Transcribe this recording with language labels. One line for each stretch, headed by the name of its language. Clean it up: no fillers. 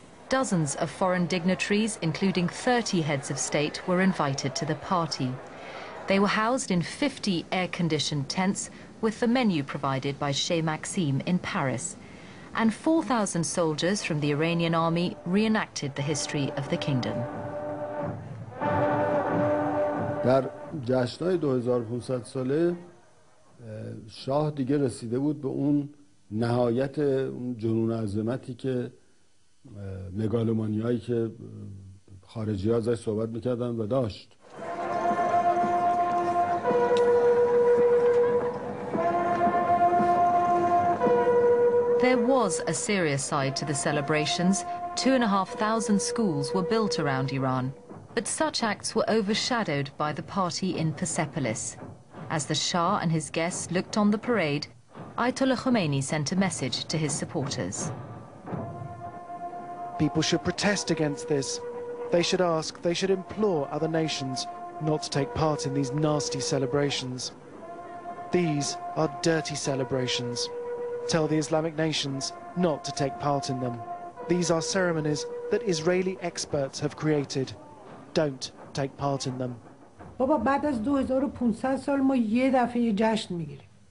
English: Dozens of foreign dignitaries, including 30 heads of state, were invited to the party. They were housed in 50 air-conditioned tents with the menu provided by Chez Maxime in Paris. And 4,000 soldiers from the Iranian army reenacted the history of the kingdom.
Persian: در جشنای 2500 ساله شاه دیگه رسیده بود به اون نهایت جنون عظمتی که مگالومانیایی که خارجی ها ازش صحبت میکردن و داشت.
English: There was a serious side to the celebrations. 2,500 schools were built around Iran. But such acts were overshadowed by the party in Persepolis. As the Shah and his guests looked on the parade, Ayatollah Khomeini sent a message to his supporters. People should protest against this. They should ask, they should implore other nations not to take part in these nasty celebrations. These are dirty celebrations. Tell the Islamic nations not to take part in them. These are ceremonies that Israeli experts have created. Don't take part in them.
Persian: بابا بعد از 2500 سال ما یه دفعه یه جشن میگیریم.